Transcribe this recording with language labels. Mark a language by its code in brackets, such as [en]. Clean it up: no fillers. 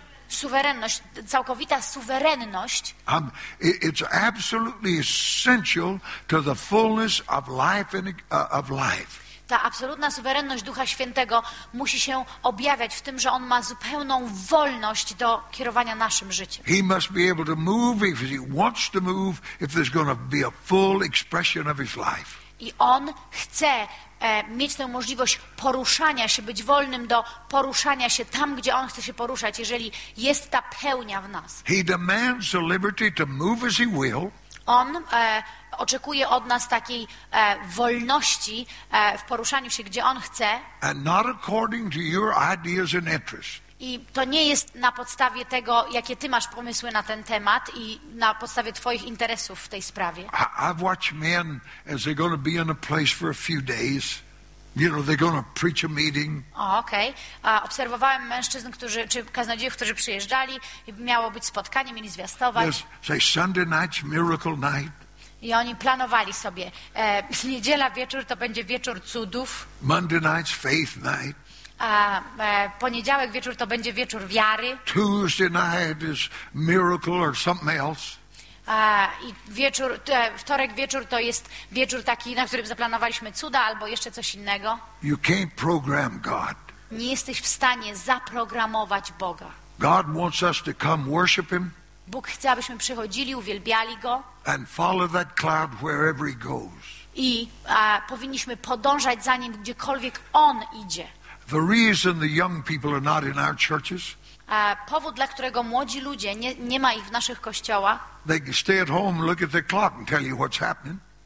[pl] Suwerenność, całkowita suwerenność. [en] It's absolutely essential to the fullness of life and of life. [pl] Ta absolutna suwerenność Ducha Świętego musi się objawiać w tym, że on ma zupełną wolność do kierowania naszym życiem. [en] He must be able to move if he wants to move, if there's going to be a full expression of his life. [pl] I on chce mieć tę możliwość poruszania się, być wolnym do poruszania się tam, gdzie on chce się poruszać, jeżeli jest ta pełnia w nas. [en] He demands the liberty to move as he will. [pl] On oczekuje od nas takiej wolności w poruszaniu się, gdzie on chce. [en] And not according to your ideas and interests. [pl] I to nie jest na podstawie tego, jakie ty masz pomysły na ten temat i na podstawie twoich interesów w tej sprawie. [en] I've watched men as they're going to be in a place for a few days. You know, they're going to preach a meeting. Okej. Okay. [pl] Obserwowałem mężczyzn, którzy, czy kaznodziejów, którzy przyjeżdżali i miało być spotkanie, mieli zwiastować. [en] Yes, say Sunday night, miracle night. [pl] I oni planowali sobie. Niedziela wieczór to będzie wieczór cudów. [en] Monday night, faith night. [pl] A poniedziałek wieczór to będzie wieczór wiary. [en] Tuesday night is miracle or something else. [pl] I wieczór, wtorek wieczór to jest wieczór taki, na którym zaplanowaliśmy cuda albo jeszcze coś innego. [en] You can't program God. [pl] Nie jesteś w stanie zaprogramować Boga. [en] God wants us to come worship him. [pl] Bóg chce, abyśmy przychodzili, uwielbiali go. [en] And follow that cloud wherever he goes. [pl] I powinniśmy podążać za nim, gdziekolwiek on idzie. [en] The reason the young people are not in our churches? [pl] Powód, dla którego młodzi ludzie nie ma ich w naszych kościołach. [en] They can stay at home, look at the clock and tell you what's happening.